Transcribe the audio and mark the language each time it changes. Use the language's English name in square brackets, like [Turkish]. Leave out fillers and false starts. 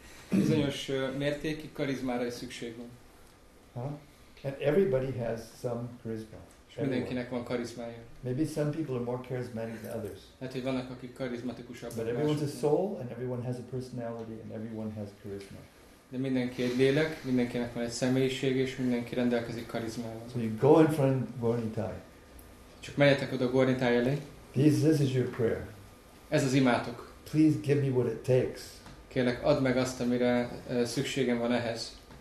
[Hungarian] Bizonyos mértékig karizmára is szükség van. [English] And everybody has some charisma. [Hungarian] Mindenkinek van karizmája. [English] Maybe some people are more charismatic than others. [Hungarian] Hát, hogy vannak, akik karizmatikusabbak. [English] But everyone's a soul, and everyone has a personality, and everyone has charisma. [Hungarian] De mindenki egy lélek, mindenkinek van egy személyiség, és mindenki rendelkezik karizmával. [English] So you go in front of Gornitai. [Hungarian] Csak menjetek oda Gornitai elé. [English] This is your prayer. [Hungarian] Ez az imátok. [English] Please give me what it takes. [Hungarian] Kérlek, add meg azt, amire szükségem van ehhez.